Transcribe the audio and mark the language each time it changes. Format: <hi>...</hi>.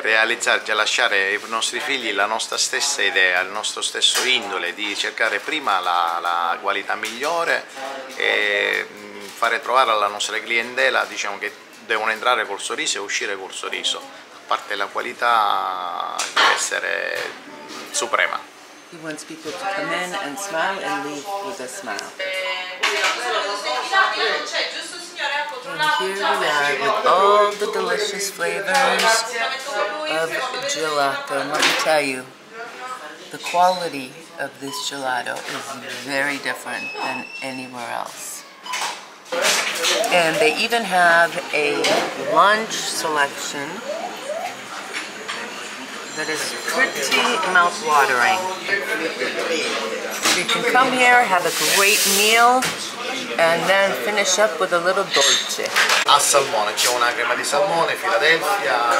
<it>Realizzarci e lasciare ai nostri figli la nostra stessa idea, il nostro stesso indole di cercare prima la qualità migliore e fare trovare alla nostra clientela, diciamo, che devono entrare col sorriso e uscire col sorriso. A parte la qualità deve essere suprema.</it> <en>He wants people to come in and smile and leave with a smile. And here we are with all the delicious flavors of gelato. And let me tell you, the quality of this gelato is very different than anywhere else. And they even have a lunch selection that is pretty mouth-watering. You can come here, have a great meal, and then finish up with a little dolce.</en> <it>A salmone, c'è una crema di salmone, Philadelphia.</it>